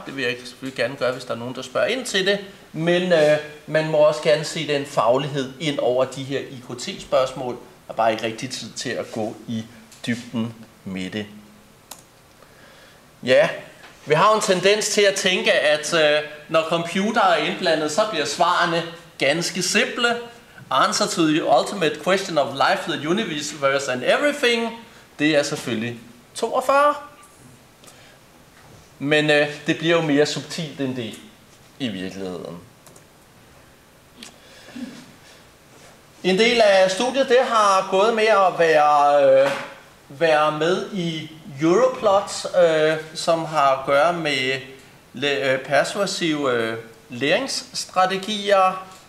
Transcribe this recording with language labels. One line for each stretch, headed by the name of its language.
Danish: Det vil jeg selvfølgelig gerne gøre, hvis der er nogen, der spørger ind til det. Men man må også gerne se den faglighed ind over de her IKT-spørgsmål. Der er bare ikke rigtig tid til at gå i dybden med det. Ja, vi har en tendens til at tænke, at når computer er indblandet, så bliver svarene ganske simple.
English: Answer to the ultimate question of life, the universe and everything.
Danish: Det er selvfølgelig 42. Men det bliver jo mere subtilt end det i virkeligheden. En del af studiet, det har gået med at være med i Europlot, som har at gøre med persuasive læringsstrategier.